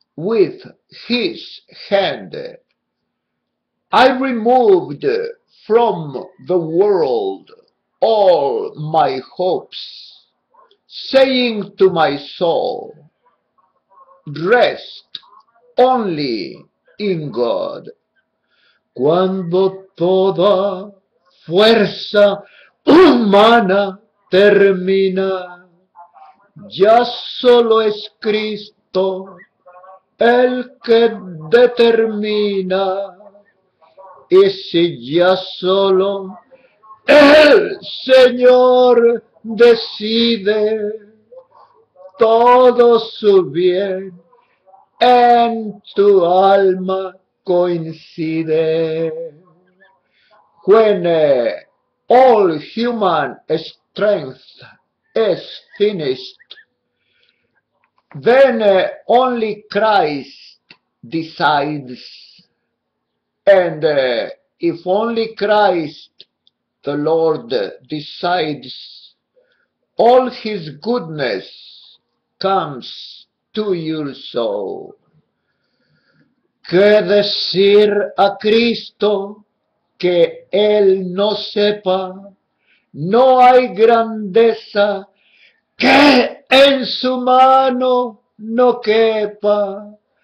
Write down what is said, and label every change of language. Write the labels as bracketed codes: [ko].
[en] With his hand, I removed from the world all my hopes, saying to my soul, rest only in God. [es] Cuando toda fuerza humana termina, ya solo es Cristo. El que determina, y si ya solo el Señor decide, todo su bien en tu alma coincide. [en] When all human strength is finished, then only Christ decides, and if only Christ, the Lord, decides, all his goodness comes to your soul. [es] ¿Qué decir a Cristo que él no sepa? No hay grandeza que en su mano no quepa.